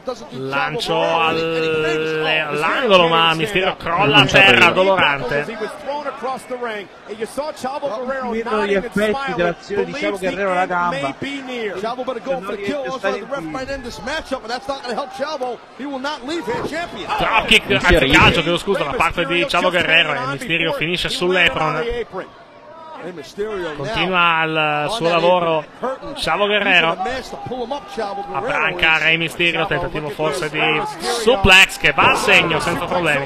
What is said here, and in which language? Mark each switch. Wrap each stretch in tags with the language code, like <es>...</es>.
<it>Lancio all'angolo ma Mysterio crolla a terra, dolorante.</it> <en>across the ring, and you saw Chavo Guerrero nodding and smiling, believes the end may be near. Chavo better go for the kill, also the ref might end this matchup, and that's not going to help Chavo, he will not leave here champion.</en> <it>Dropkick, anzi calcio, chiedo scusa, da parte di Chavo Guerrero, e Mysterio finisce sull'apron. Continua il suo lavoro Chavo Guerrero. A branca Rey Mysterio, tentativo forse di suplex che va a segno senza problemi.</it>